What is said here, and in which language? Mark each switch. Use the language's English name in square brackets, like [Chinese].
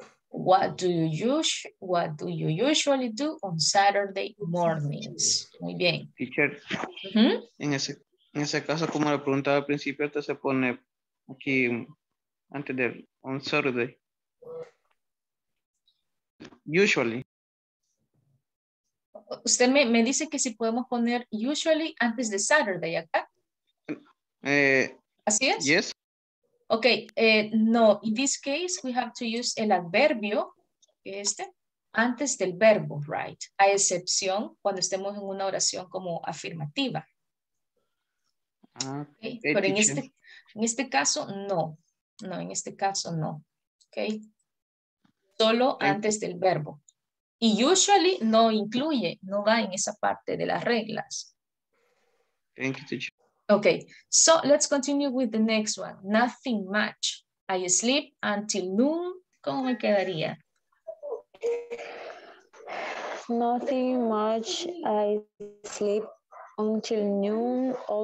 [English] What do you usually do on Saturday mornings? [Spanish] Muy bien. Teacher, en ese caso, como le preguntaba al principio, te se pone aquí antes de on Saturday. [English] Usually. [Spanish] Usted me dice que si podemos poner usually antes de Saturday acá. ¿Así es? [English] Yes. Ok, no. In this case, we have to use [Spanish] el adverbio, este, antes del verbo, [English] right? [Spanish] A excepción cuando estemos en una oración como afirmativa. [English] Okay. [Spanish] Pero en este caso, no. No, en este caso, no. Ok. Solo antes del verbo. Y usually no incluye, no va en esa parte de las reglas. [English] Thank you, teacher. Okay, so let's continue with the next one. Nothing much. I sleep until noon. [Spanish] ¿Cómo me quedaría? [English] Nothing much. I sleep until noon.